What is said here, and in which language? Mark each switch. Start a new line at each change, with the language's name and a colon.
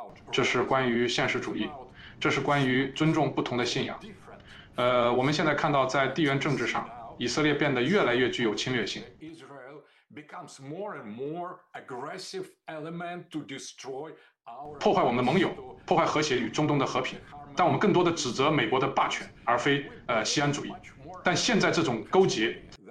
Chinese: 这是关于现实主义，这是关于尊重不同的信仰。我们现在看到，在地缘政治上，以色列变得越来越具有侵略性。
English: Israel becomes more and more aggressive element to destroy our
Chinese: 破坏我们的盟友，破坏和谐与中东的和平。但我们更多的指责美国的霸权，而非西安主义。但现在这种勾结。